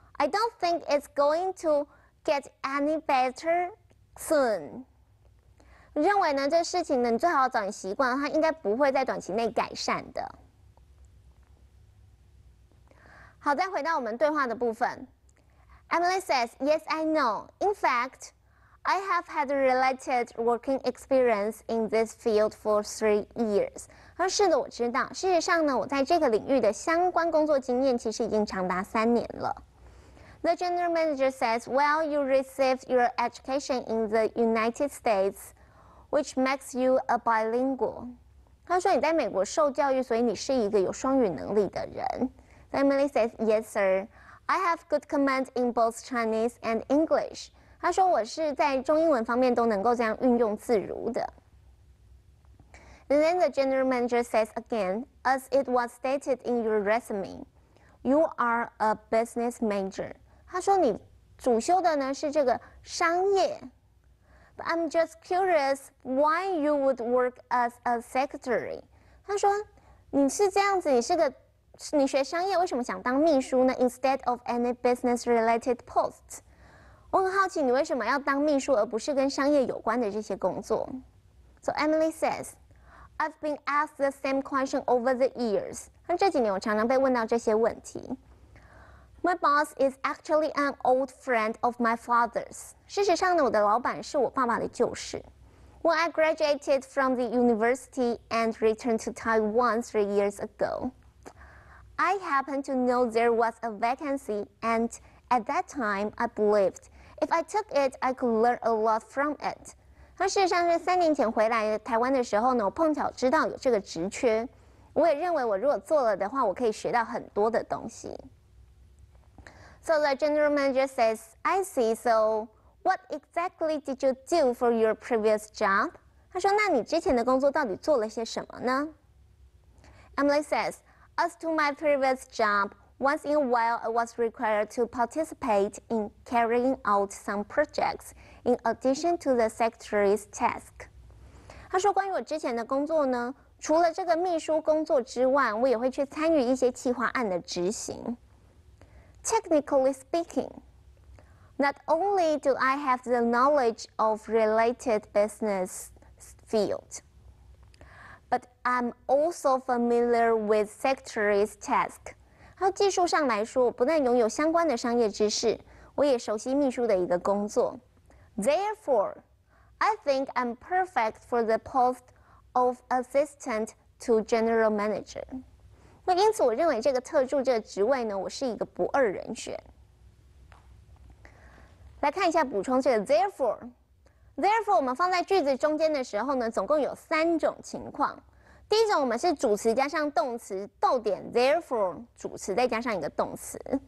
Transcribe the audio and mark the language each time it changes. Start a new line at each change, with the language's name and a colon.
English: I don't think it's going to get any better soon.
Chinese: 认为呢这事情呢你最好早点习惯，它应该不会在短期内改善的。好，再回到我们对话的部分。
English: Emily says, "Yes, I know. In fact, I have had related working experience in this field for 3 years."
Chinese: 她说：“是的，我知道。事实上呢，我在这个领域的相关工作经验其实已经长达三年了。
English: The general manager says, well, you received your education in the United States, which makes you a bilingual.
Chinese: 他说你在美国受教育，所以你是一个有双语能力的人。
English: Emily says, yes, sir. I have good command in both Chinese and English.
Chinese: 他说我是在中英文方面都能够这样运用自如的。
English: And then the general manager says again, as it was stated in your resume, you are a business major.
Chinese: 他说你主修的呢是这个商业。
English: But I'm just curious why you would work as a secretary.
Chinese: 他说你是这样子，你学商业为什么想当秘书呢 ？
English: Instead of any business related post.
Chinese: 我很好奇你为什么要当秘书，而不是跟商业有关的这些工作。
English: So Emily says. I've been asked the same question over the years.
Chinese: 这几年我常常被问到这些问题。
English: My boss is actually an old friend of my father's.
Chinese: 事实上呢，我的老板是我爸爸的旧识。
English: When I graduated from the university and returned to Taiwan 3 years ago, I happened to know there was a vacancy, and at that time, I believed if I took it, I could learn a lot from it.
Chinese: 那事实上是3年前回来台湾的时候呢，我碰巧知道有这个职缺，我也认为我如果做了的话，我可以学到很多的东西。
English: So the general manager says, I see. So what exactly did you do for your previous job?
Chinese: 他说，那你之前的工作到底做了些什么呢
English: ？Emily says, as to my previous job, once in a while I was required to participate in carrying out some projects. In addition to the secretary's task,
Chinese: 他说关于我之前的工作呢，除了这个秘书工作之外，我也会去参与一些企划案的执行。
English: Technically speaking, not only do I have the knowledge of related business field, but I'm also familiar with secretary's task.
Chinese: 他技术上来说，我不但拥有相关的商业知识，我也熟悉秘书的一个工作。
English: Therefore, I think I'm perfect for the post of assistant to general manager.
Chinese: 那因此，我认为这个特助这个职位呢，我是一个不二人选。来看一下补充这个 therefore 我们放在句子中间的时候呢，总共有3种情况。第一种，我们是主词加上动词，逗点 therefore 主词再加上一个动词。